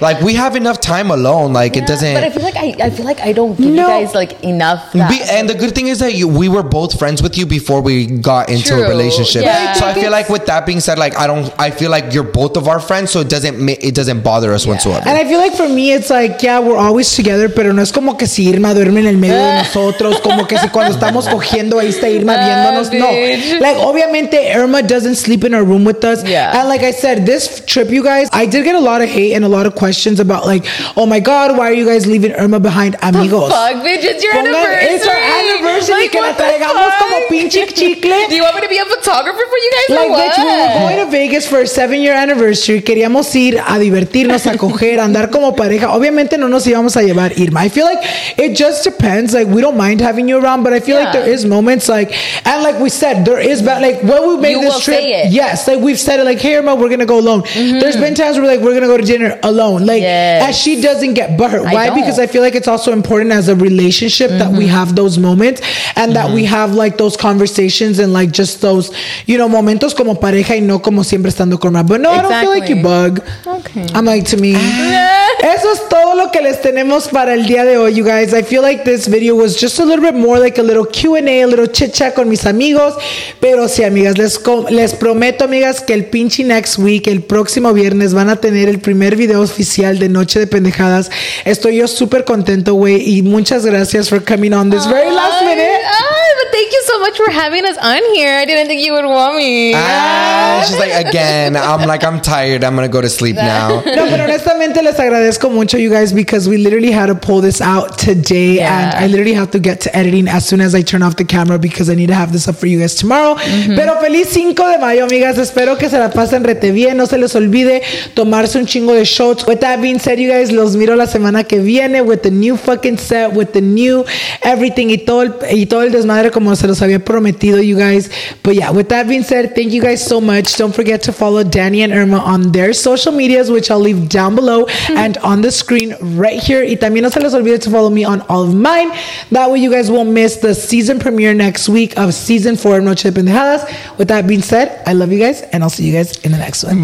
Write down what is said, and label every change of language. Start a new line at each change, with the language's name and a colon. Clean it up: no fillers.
English: Like, we have enough time alone. Like, yeah, it doesn't. But I feel like I don't give you guys like enough. And the good thing is that we were both friends with you before we got into a relationship. Yeah. So I feel like with that being said, like I feel like you're both of our friends, so it doesn't bother us whatsoever.
Spanish: And I feel like for me, it's like, yeah, we're always together, pero no es como que si Irma duerme en el medio de nosotros, como que si cuando estamos cogiendo ahí está Irma viéndonos.
English: No, like, obviamente, Irma doesn't sleep in her room with us. Yeah. And like I said, this trip, you guys, I did get a lot of hate and a lot of questions about like, oh my God, why are you guys leaving Irma behind, amigos? The fuck, bitch, it's your anniversary.
Spanish: It's our anniversary. Like, que la traigamos como pinche chicle.
English: Do you want me to be a photographer for you guys, like, or what? Like, bitch, we were going to Vegas for a 7-year anniversary.
Spanish: Queríamos ir a divertirnos, a coger. Andar como pareja. Obviamente no nos íbamos a llevar Irma. I feel like it just depends.
English: Like, we don't mind having you around, but I feel like there is moments like, and like we said, there is, but like when we made you this will trip, say it. Yes, like we've said it, like, hey Irma, we're gonna go alone. Mm-hmm. There's been times where like we're gonna go to dinner alone, like, yes. And she doesn't get butthurt. Why? Don't. Because I feel like it's also important as a relationship mm-hmm. that we have those moments and mm-hmm. that we have like those conversations and like just those, you know, momentos como pareja y no como siempre estando con Irma. But no, exactly. I don't feel like you bug. Okay, I'm like, to me.
Spanish: Eso es todo lo que les tenemos para el día de hoy, you guys.
English: I feel like this video was just a little bit more like a little Q&A, a little chit-chat con mis amigos.
Spanish: Pero sí, amigas, les prometo, amigas, que el pinche next week, el próximo viernes, van a tener el primer video oficial de Noche de Pendejadas. Estoy yo súper contento, güey.
English: Y muchas gracias for coming on this very last minute. But thank you so much for having us on here. I didn't think you would want me. She's like, again, I'm like, I'm tired. I'm going to go to sleep now. No, pero honestamente les agradezco mucho, you guys, because we literally had to pull this out today. Yeah. And I literally have to get to editing as soon as I turn off the camera because I need to have this up for you guys tomorrow. Mm-hmm.
Spanish: Pero feliz 5 de mayo, amigas. Espero que se la pasen rete bien. No se les olvide tomarse un chingo de shots. With that being said, you guys, los miro la semana que viene with the new fucking set, with the new everything y todo el desmadre como se los había prometido, you guys.
English: But yeah, with that being said, thank you guys so much. Don't forget to follow Danny and Irma on their social medias, which I'll leave down below and on the screen right here.
Spanish: Y también no se les olvide to follow me on all of mine.
English: That way you guys won't miss the season premiere next week of season 4 of Noche de Pendejadas. With that being said, I love you guys, and I'll see you guys in the next one.